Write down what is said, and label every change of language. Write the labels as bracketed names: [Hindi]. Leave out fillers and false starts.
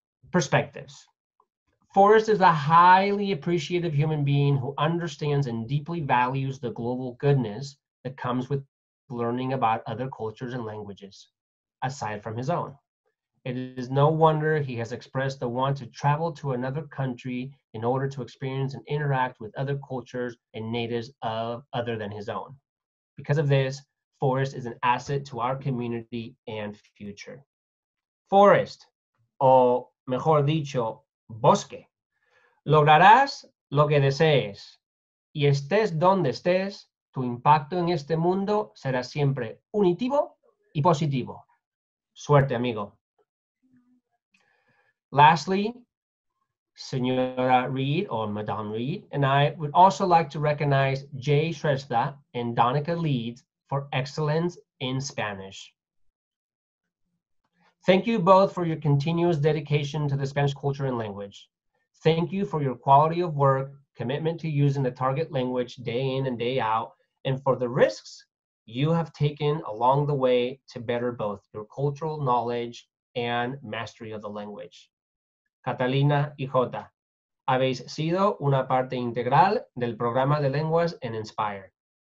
[English] Perspectives. Forrest is a highly appreciative human being who understands and deeply values the global goodness that comes with learning about other cultures and languages, aside from his own. It is no wonder he has expressed the want to travel to another country in order to experience and interact with other cultures and natives other than his own. Because of this, Forrest is an asset to our community and future. [Spanish] Forrest, o mejor dicho, Bosque, lograrás lo que desees. Y estés donde estés, tu impacto en este mundo será siempre unitivo y positivo. Suerte, amigo. [English] Lastly, Senora Reed or Madame Reed and I would also like to recognize Jay Shrestha and Donica Leeds for excellence in Spanish. Thank you both for your continuous dedication to the Spanish culture and language. Thank you for your quality of work, commitment to using the target language day in and day out, and for the risks you have taken along the way to better both your cultural knowledge and mastery of the language. [Spanish] Catalina y Jota, habéis sido una parte integral del programa de lenguas en Inspire.